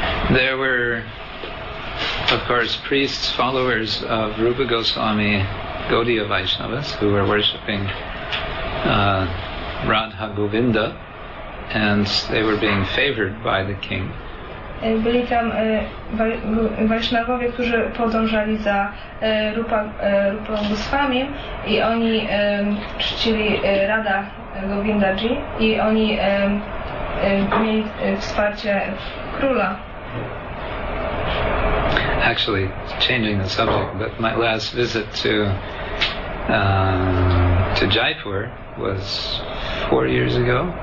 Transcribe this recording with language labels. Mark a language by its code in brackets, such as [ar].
[en] There were, of course, priests, followers of Rupa Goswami, Gaudiya Vaishnavas, who were worshipping Radha Govinda, and they were being favored by the king. [pl] Byli tam Vaishnavowie, którzy podążali za Rupa Goswami i oni czcili Radha Govindaji i oni mieli wsparcie króla. [en] Actually, changing the subject, but my last visit to Jaipur was 4 years ago.